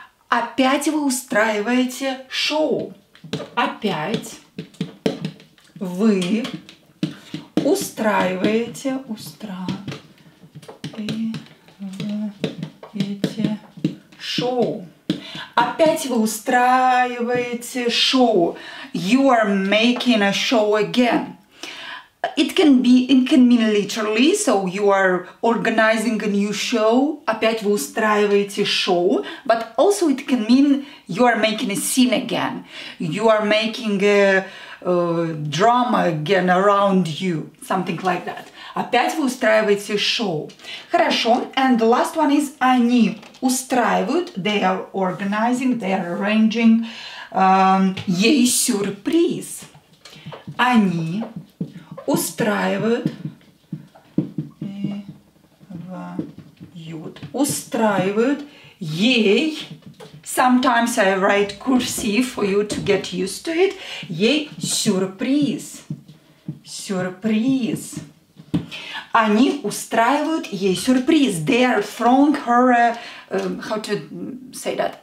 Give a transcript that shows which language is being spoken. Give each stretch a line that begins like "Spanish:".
Russian: Опять вы устраиваете шоу. Опять вы устраиваете, устраиваете шоу. Опять вы устраиваете шоу.
English: You are making a show again. It can be, it can mean literally, so you are organizing a new show.
Russian: Опять вы устраиваете шоу.
English: But also it can mean you are making a scene again. You are making a drama again around you. Something like that.
Russian: Опять вы устраиваете шоу. Хорошо.
English: And the last one is
Russian: они устраивают.
English: They are organizing, they are arranging.
Russian: Ей сюрприз. Они устраивают. Устраивают ей.
English: Sometimes I write cursive for you to get used to it.
Russian: Ей сюрприз. Сюрприз. Они устраивают ей сюрприз.
English: They are throwing her a, how to say that?